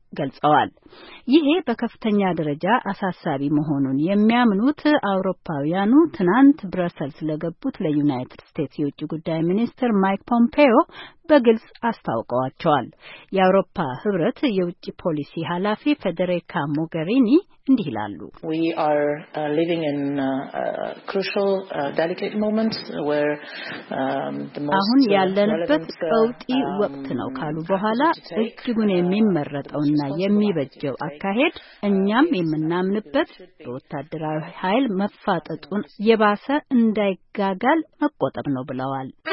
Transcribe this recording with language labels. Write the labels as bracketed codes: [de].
[am] ገልጸዋል። ይሄ በከፍተኛ ደረጃ አሳሳቢ መሆኑን የሚያምኑት አውሮፓውያኑ ትናንት ብራሰልስ ለገቡት ለዩናይትድ ስቴትስ የውጭ ጉዳይ ሚኒስትር ማይክ ፖምፔዮ በግልጽ አስታውቀዋቸዋል። የአውሮፓ ህብረት የውጭ ፖሊሲ ኃላፊ ፌደሪካ ሞገሪኒ እንዲህ ይላሉ። [en] We are living in a crucial delicate moment where the most [am] አሁን ያለንበት ቀውጢ ወቅት ነው ካሉ በኋላ እጅጉን የሚመረጠውና የሚበጀው አካሄድ እኛም የምናምንበት በወታደራዊ ኃይል መፋጠጡን የባሰ እንዳይጋጋል መቆጠብ ነው ብለዋል።